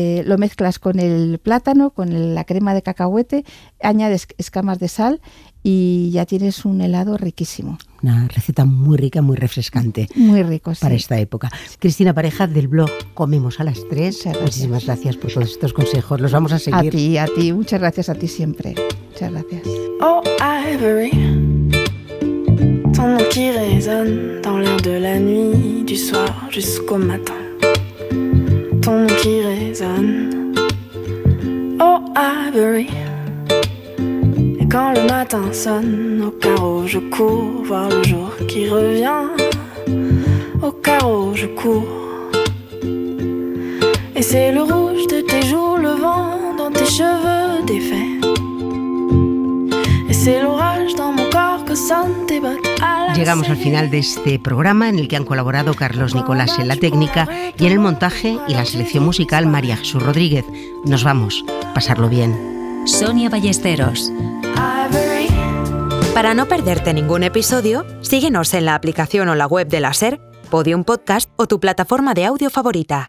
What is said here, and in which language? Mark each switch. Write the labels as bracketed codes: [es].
[es] lo mezclas con el plátano, con la crema de cacahuete, añades escamas de sal y ya tienes un helado riquísimo. Una receta muy rica, muy refrescante. Muy rico, sí. Para esta época. Cristina Pareja, del blog Comemos a las 3. Muchísimas gracias por todos estos consejos. Los vamos a seguir. A ti. Muchas gracias a ti siempre. Muchas gracias. [fr] Oh, Ivory, ton nom qui résonne dans l'air de la nuit, du soir jusqu'au matin. Ton nom qui résonne. Oh, Ivory. Et quand le matin sonne au carreau, je cours voir le jour qui revient. Au carreau, je cours. Et c'est le rouge de tes joues, le vent dans tes cheveux défaits. Et c'est l'orage dans mon corps que sonne tes bottes. [es] Llegamos al final de este programa en el que han colaborado Carlos Nicolás en la técnica y en el montaje y la selección musical María Jesús Rodríguez. Nos vamos. Pasarlo bien. Sonia Ballesteros. Para no perderte ningún episodio, síguenos en la aplicación o la web de la SER, Podium Podcast o tu plataforma de audio favorita.